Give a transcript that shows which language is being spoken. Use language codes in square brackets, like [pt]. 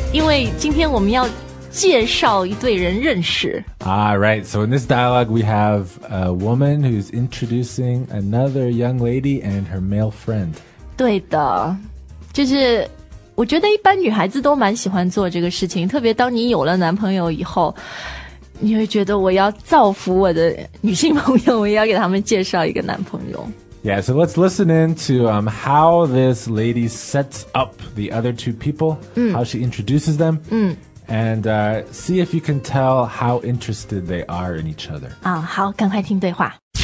[zh] 因为今天我们要介绍一对人认识 [en] Alright, so in this dialogue we have a woman who's introducing another young lady and her male friend. [zh] 对的，就是我觉得一般女孩子都蛮喜欢做这个事情，特别当你有了男朋友以后，你会觉得我要造福我的女性朋友，我也要给他们介绍一个男朋友。 [en] Yeah, so let's listen in to how this lady sets up the other two people, how she introduces them, and see if you can tell how interested they are in each other. [zh] 啊，好，赶快听对话。